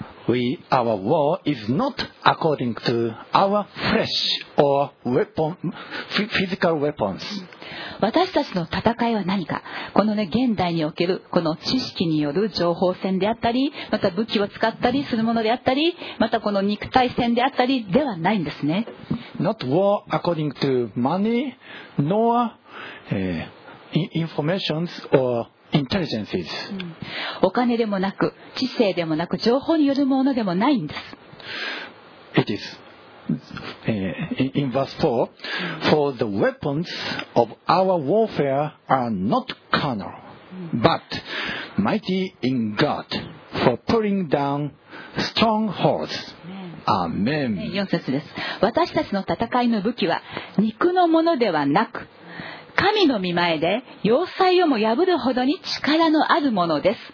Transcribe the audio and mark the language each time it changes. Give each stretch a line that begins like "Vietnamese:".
English: Our war is not according to our flesh or physical weapons.
Japanese: 私たちの戦いは何か、このね、現代におけるこの知識による情報戦であったり、また武器を使ったりするものであったり、またこの肉体戦であったりではないんですね。
English: Not war according to money nor information orintelligences.
Japanese: お金でもなく、知性でもなく、情報によるものでもないんです。
English: It is, in verse 4, for the weapons of our warfare are not carnal, but mighty in God for pulling down strongholds. Amen.
Japanese: 4節です。私たちの戦いの武器は肉のものではなく、神の御前で要塞をも破るほどに力のあるものです。